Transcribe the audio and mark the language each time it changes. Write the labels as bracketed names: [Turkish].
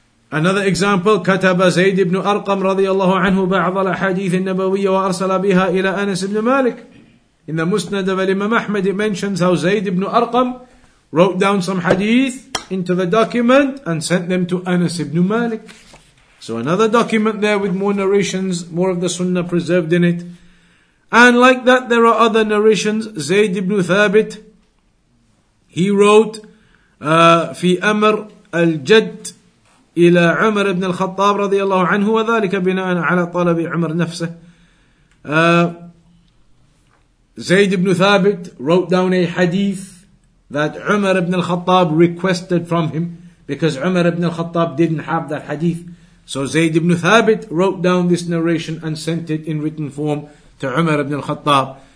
[English] Another example, [Arabic] كَتَبَ زَيْدِ بْنُ أَرْقَمْ رَضِيَ اللَّهُ عَنْهُ بَعْضَ الْحَدِيثِ النَّبَوِيَّ وَأَرْسَلَ بِهَا إِلَىٰ أَنَسِ بْنِ مَالِكِ. [English] In the Musnad of Imam Ahmad, it mentions how Zayd ibn Arqam wrote down some hadith into the document and sent them to Anas ibn Malik. So another document there with more narrations, more of the sunnah preserved in it. And like that, there are other narrations. Zayd ibn Thabit, he wrote, [Arabic] في أمر الجد إلى عمر بن الخطاب رضي الله عنه وذلك بناء على طلب عمر نفسه. [English] Zayd ibn Thabit wrote down a hadith that Umar ibn al-Khattab requested from him, because Umar ibn al-Khattab didn't have that hadith. So Zayd ibn Thabit wrote down this narration and sent it in written form to Umar ibn al-Khattab.